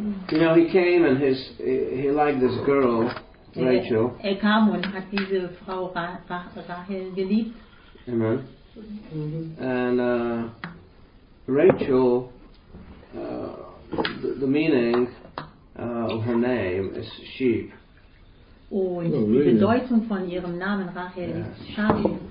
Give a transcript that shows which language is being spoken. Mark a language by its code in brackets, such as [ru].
[en] You know, he came and he liked this girl, Rachel. [de] Er kam und hat diese Frau Rachel geliebt. Amen. Mm-hmm. [en] And Rachel, the meaning of her name is sheep. [de] Und die Bedeutung von ihrem Namen Rachel ist Schaf.